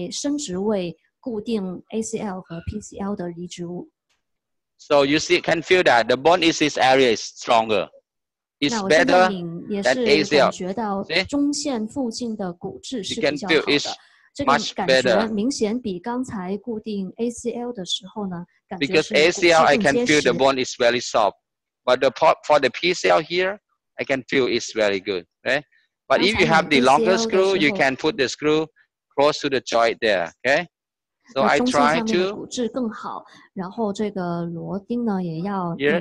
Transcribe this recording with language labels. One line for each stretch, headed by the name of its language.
Chinese: 同时拉紧两股移植物，屈伸活动关节若干次之后，再伸直位固定 ACL 和 PCL 的移植物。
English: So you see, can feel that the bone in this area is stronger. It's better than ACL.
Chinese: 中线附近的骨质是比较好的，这个感觉明显比刚才固定 ACL 的时候呢，感觉是更结实。
English: Because ACL, I can feel the bone is very soft, but the for the PCL here. I can feel it's very good, okay? But if you have the longer screw, you can put the screw close to the joint there, okay? So I try to... Here